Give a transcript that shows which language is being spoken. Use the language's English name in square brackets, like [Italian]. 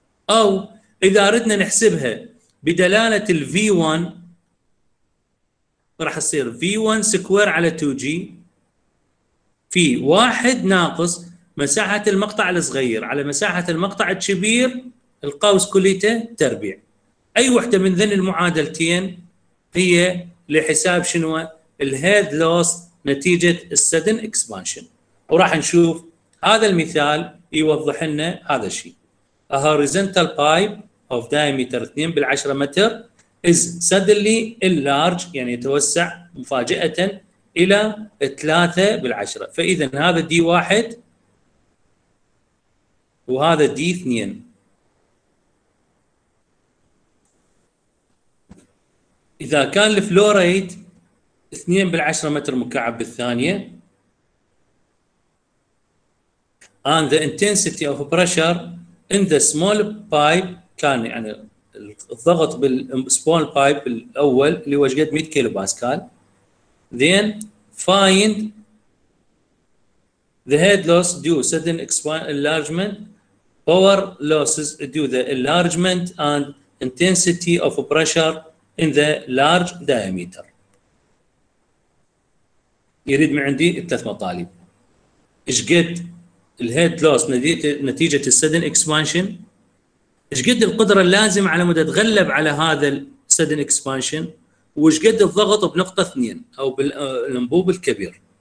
[Arabic] او اذا اردنا نحسبها بدلاله ال V1 راح يصير V1 سكوير على 2G في واحد ناقص مساحة المقطع الصغير على مساحة المقطع الكبير القوس كليته تربيع. اي وحدة من ذن المعادلتين هي لحساب شنو الهيد لوس نتيجة السدن اكسبانشن، وراح نشوف هذا المثال يوضح لنا هذا الشيء. [English] A horizontal pipe of diameter 2 بالعشرة متر is suddenly enlarged، [Arabic] يعني يتوسع مفاجأة إلى 3 بالعشرة. فإذا هذا D1 وهذا D2. إذا كان الفلوريد 2 بالعشرة متر مكعب بالثانية [English] and the intensity of pressure in the small pipe، [Arabic] كان يعني الضغط بال [English] small pipe [Arabic] الأول اللي هو قد 100 كيلو باسكال، [English] then find the head loss due sudden enlargement, power losses due the enlargement and intensity of pressure in the large diameter. [Arabic] يريد من عندي الثلاث مطالب، ايش قد الهيد لوس نتيجة السدن اكسبانشن، ايش قد القدرة اللازمة على مدى تغلب على هذا السدن اكسبانشن، وايش قد الضغط بنقطة اثنين او بالانبوب الكبير.